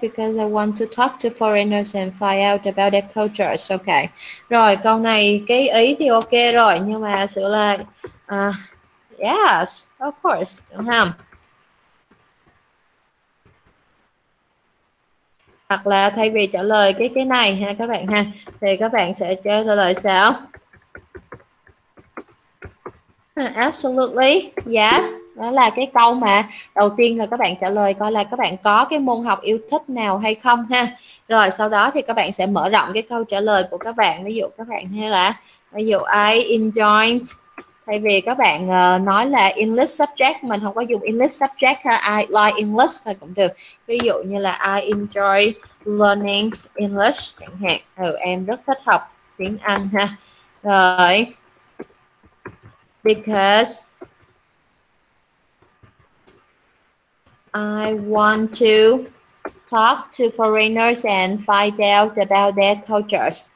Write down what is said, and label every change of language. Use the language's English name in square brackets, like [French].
[English] Because I want to talk to foreigners and find out about their cultures. Okay. [Vietnamese] Rồi câu này cái ý thì ok rồi, nhưng mà sự là [English] yes, of course, [Vietnamese] đúng không? Hoặc là thay vì trả lời cái này ha các bạn ha, thì các bạn sẽ trả lời sao? [English] Absolutely, yes. [Vietnamese] Đó là cái câu mà đầu tiên là các bạn trả lời coi là các bạn có cái môn học yêu thích nào hay không ha. Rồi sau đó thì các bạn sẽ mở rộng cái câu trả lời của các bạn. Ví dụ các bạn hay là ví dụ [English] I enjoy, [Vietnamese] thay vì các bạn nói là English subject, mình không có dùng English subject ha, [English] I like English [Vietnamese] thôi cũng được. Ví dụ như là [English] I enjoy learning English [Vietnamese] chẳng hạn. Em rất thích học tiếng Anh ha. Rồi. [English] Because I want to talk to foreigners and find out about their cultures.